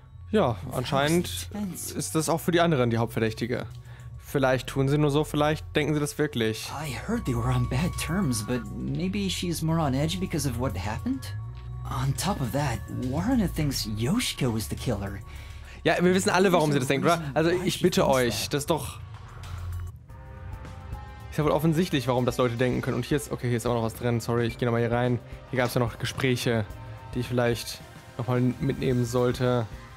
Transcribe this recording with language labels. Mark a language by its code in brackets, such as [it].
[de] Ja, anscheinend ist das auch für die anderen die Hauptverdächtige. Vielleicht tun sie nur so, vielleicht denken sie das wirklich. [en] I heard they were on bad terms, but maybe she's more on edge because of what happened? On top of that, Waruna thinks Yoshiko is the killer. [de] Ja, wir wissen alle, warum sie das denkt, oder? Also, ich bitte euch, das ist doch... Ist ja wohl offensichtlich, warum das Leute denken können. Und hier ist, okay, hier ist auch noch was drin. Sorry, ich gehe nochmal hier rein. Hier gab es ja noch Gespräche, die ich vielleicht nochmal mitnehmen sollte.